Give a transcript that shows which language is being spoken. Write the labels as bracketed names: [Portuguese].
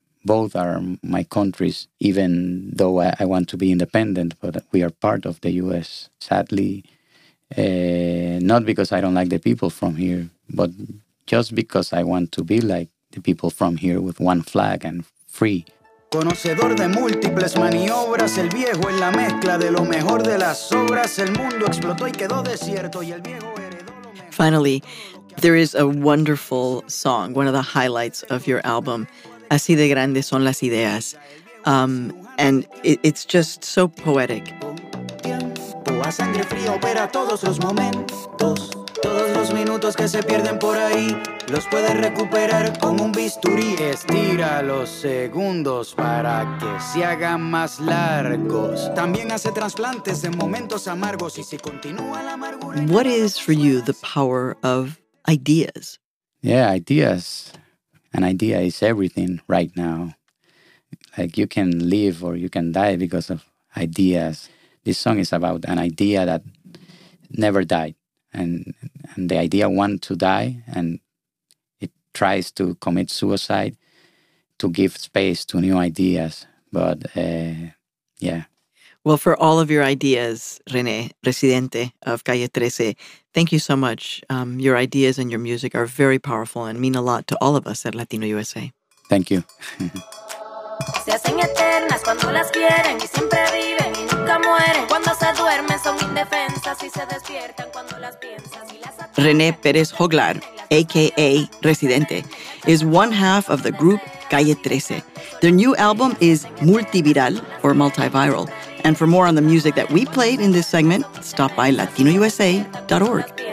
[English] Both are my countries, even though I want to be independent, but we are part of the U.S., sadly. Not because I don't like the people from here, but just because I want to be like the people from here, with one flag and free. [Spanish] Conocedor de múltiples maniobras, el viejo en la mezcla de lo mejor de las obras, el mundo explotó y quedó desierto, y el viejo heredó lo mejor. [English] Finally, there is a wonderful song, one of the highlights of your album, Así de Grandes Son Las Ideas. And it's just so poetic. [Spanish] A sangre fría opera todos los momentos, todos los minutos que se pierden por ahí, los puede recuperar con un bisturí. Estira los segundos para que se hagan más largos. También hace trasplantes de momentos amargos, y si continúa la amargura. [English] What is for you the power of ideas? Yeah, ideas. An idea is everything right now. Like you can live or you can die because of ideas. This song is about an idea that never died. And the idea wants to die, and it tries to commit suicide to give space to new ideas. But, yeah. Well, for all of your ideas, René, residente of Calle 13, thank you so much. Your ideas and your music are very powerful and mean a lot to all of us at Latino USA. Thank you. [Spanish] Se hacen eternas cuando las quieren y siempre viven y nunca mueren. Cuando se duermen son indefensas y se despiertan cuando las piensas y las atienden. [English] René Pérez Joglar, a.k.a. Residente, is one half of the group Calle 13. Their new album is Multiviral, or Multiviral. And for more on the music that we played in this segment, stop by latinousa.org.